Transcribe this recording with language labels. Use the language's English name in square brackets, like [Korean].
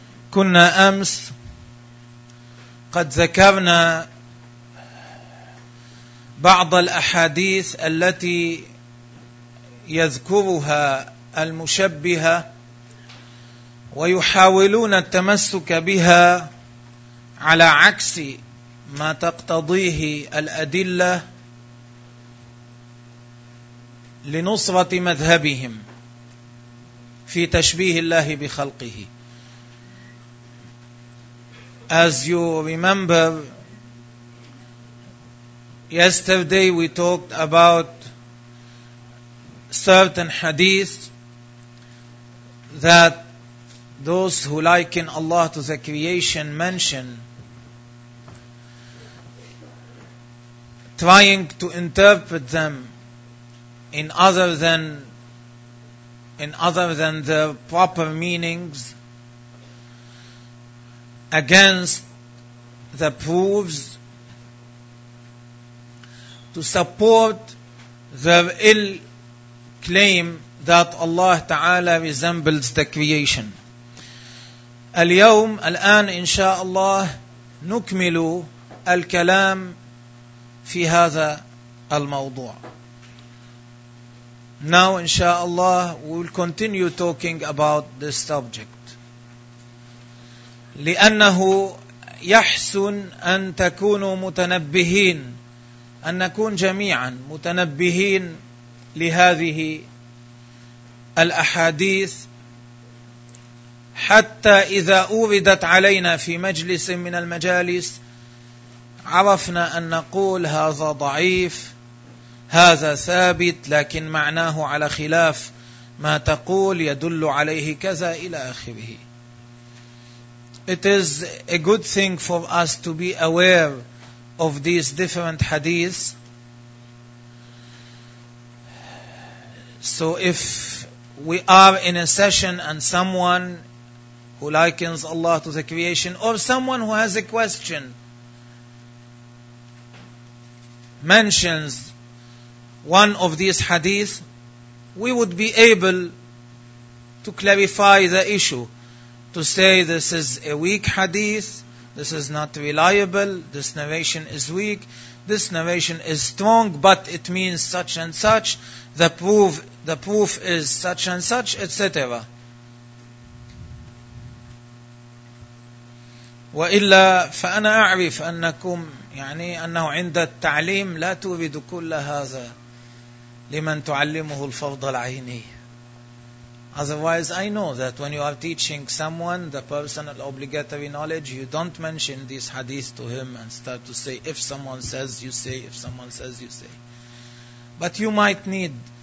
[Arabic] كنا أمس قد ذكرنا بعض الأحاديث التي يذكرها المشبهة ويحاولون التمسك بها على عكس ما تقتضيه الأدلة لنصرة مذهبهم في تشبيه الله بخلقه. [English] As you remember, yesterday we talked about certain hadith that those who liken Allah to the creation mention, trying to interpret them in other than their proper meanings, against the proofs to support their ill claim that Allah Ta'ala resembles the creation. [Arabic] اليوم الآن إن شاء الله نكمل الكلام في هذا الموضوع. [English] Now إن شاء الله we will continue talking about this subject. [Arabic] لأنه يحسن أن تكونوا متنبهين أن نكون جميعا متنبهين لهذه الأحاديث حتى إذا أوردت علينا في مجلس من المجالس عرفنا أن نقول هذا ضعيف هذا ثابت لكن معناه على خلاف ما تقول يدل عليه كذا إلى آخره. [English] It is a good thing for us to be aware of these different hadiths. So if we are in a session and someone who likens Allah to the creation or someone who has a question mentions one of these hadiths, we would be able to clarify the issue. To say this is a weak hadith, this is not reliable, this narration is weak, this narration is strong, but it means such and such, the proof is such and such, etc. [Arabic] وإلا فأنا أعرف أنكم يعني أنه عند التعليم لا تريد كل هذا لمن تعلمه الفرض العيني. [English] Otherwise, I know that when you are teaching someone the personal obligatory knowledge, you don't mention these hadith to him and start to say, if someone says, you say, if someone says, you say. But you might need.